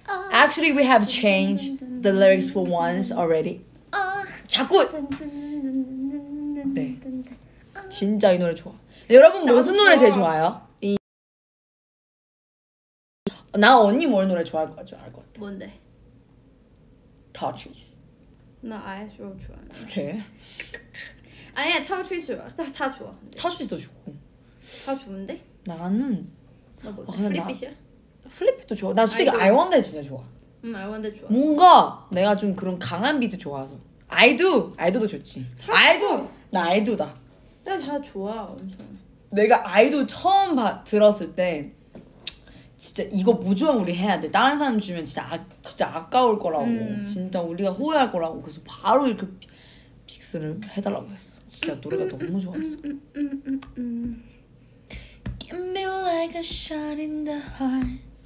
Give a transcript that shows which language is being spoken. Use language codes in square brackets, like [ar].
[en] Actually, we have changed the lyrics for once already. [ko] 자꾸! 네. 진짜 이 노래 좋아. 여러분, 무슨 노래 제일 좋아요? 이... 나 언니 뭘 노래 좋아할 것 같아? 뭔데? [en] Touch Trees. 나 [ko] 좋아해. 그래? 아니야, Touch Trees 좋아. 다 좋아. Touch Trees도 좋고. 다 좋은데? 나는. 나 뭐, 프리핏이야? 플립도 좋아. 나 솔직히 I want that 진짜 좋아. 응, I want that 좋아. 뭔가 내가 좀 그런 강한 비트 좋아서. I do. I do도 좋지. I do. 나 I do다. 나 다 좋아. 엄청. 내가 I do 처음 들었을 때 진짜 이거 무조건 우리 해야 돼. 다른 사람 주면 진짜 진짜 아까울 거라고. 진짜 우리가 후회할 거라고. 그래서 바로 이렇게 픽스를 해 달라고 했어. 진짜 노래가 너무 좋았어. [en] Give me like a shot in the heart.